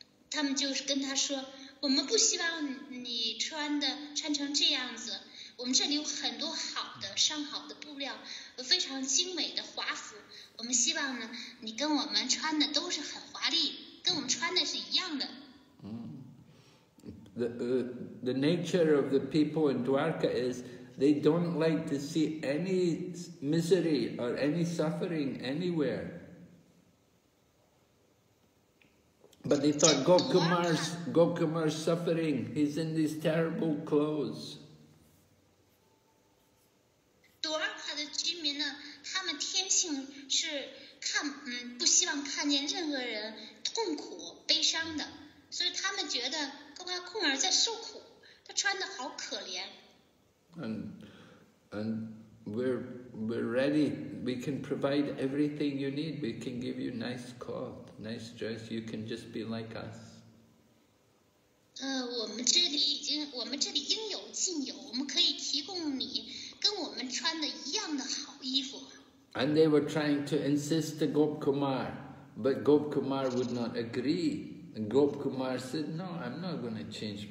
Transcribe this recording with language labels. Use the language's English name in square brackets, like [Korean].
[Chinese] 他们就是跟他说，我们不希望你穿成这样子。我们这里有很多好的上好的布料，非常精美的华服。我们希望呢，你跟我们穿的都是很华丽，跟我们穿的是一样的。 [English] The nature of the people in Dwarka is they don't like to see any misery or any suffering anywhere. But they thought Gopkumar's suffering. He's in these terrible clothes. [Chinese] Dwarka 的居民呢，他们天性是看不希望看见任何人痛苦悲伤的，所以他们觉得Gopkumar在受苦，他穿的好可怜。 [English] And we're ready. We can provide everything you need. We can give you nice cloth. Nice dress, you can just be like us. [Chinese] 我们这里应有尽有，我们可以提供你跟我们穿的一样的好衣服。 [English] And they were trying to insist to Gopkumar, but Gopkumar would not agree. And Gopkumar said, no, I'm not going to change.